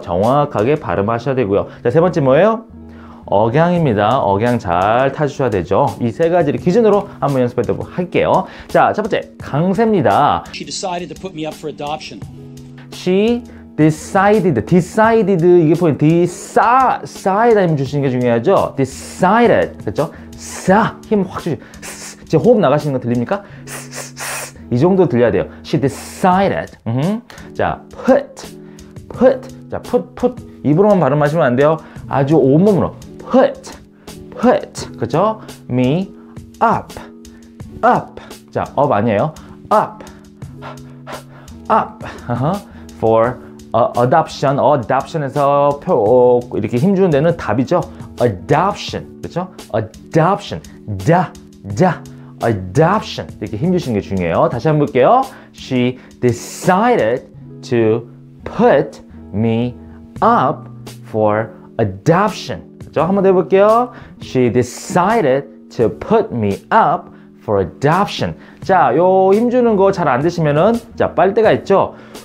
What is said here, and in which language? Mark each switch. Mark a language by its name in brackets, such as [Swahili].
[Korean] 정확하게 발음하셔야 되고요. 자, 세 번째 뭐예요? 억양입니다. 억양 잘 타주셔야 되죠. 이 세 가지를 기준으로 한번 연습해보도록 할게요. 자, 첫 번째, 강세입니다. [English] She decided to put me up for adoption. She decided, decided, [Korean] 이게 포인트. decide 아니면 주시는 게 중요하죠. decided, 그렇죠? 싸, 힘 확 주시고, 제 호흡 나가시는 거 들립니까? 이 정도 들려야 돼요. [English] She decided. [Korean] 자, put. 자, put. 입으로만 발음하시면 안 돼요. 아주 온몸으로. put 그죠? me up 자, up 아니에요. [English] up for adoption [Korean] 에서 이렇게 힘 주는 데는 답이죠. adoption 그죠? adoption da adoption 이렇게 힘 주시는 게 중요해요. 다시 한번 볼게요. [English] she decided to put me up for adoption. [Korean] 자, 한번 더 해볼게요. [English] She decided to put me up for adoption. [Korean] 자, 요 힘 주는 거 잘 안 되시면은, 자, 빨대가 있죠?